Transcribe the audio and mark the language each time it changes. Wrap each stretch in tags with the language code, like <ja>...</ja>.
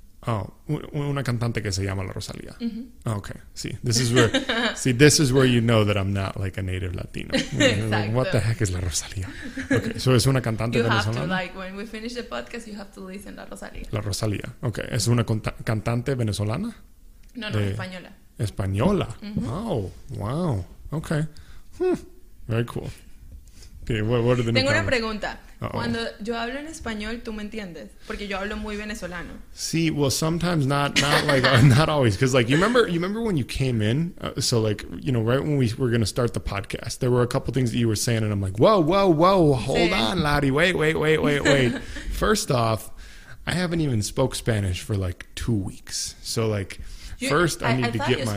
<es>Oh, una cantante que se llama La Rosalía. Mm-hmm.</es> <en>Okay, see, this is where you know that I'm not like a native Latino. Exactly. What the heck is La Rosalía? Okay, so</en> <es>es una cantante venezolana.</es> <en>You have to, like, when we finish the podcast, you have to listen La Rosalía.</en> <es>La Rosalía, okay. ¿Es una cantante venezolana? No, española. ¿Española?</es> <en>Mm-hmm. Oh, wow. Okay. Very cool. Okay, what are the</en> <es>Tengo una pregunta. Uh-oh. Cuando yo hablo en español, ¿tú me entiendes? Porque yo hablo muy venezolano.</es> <en>Sí, well, sometimes not like not always, because like you remember when you came in, so like, you know, right when we were gonna start the podcast, there were a couple things that you were saying, and I'm like, whoa, hold on, Lottie, wait. First off, I haven't even spoke Spanish for like 2 weeks, so like, I need to get my.</en>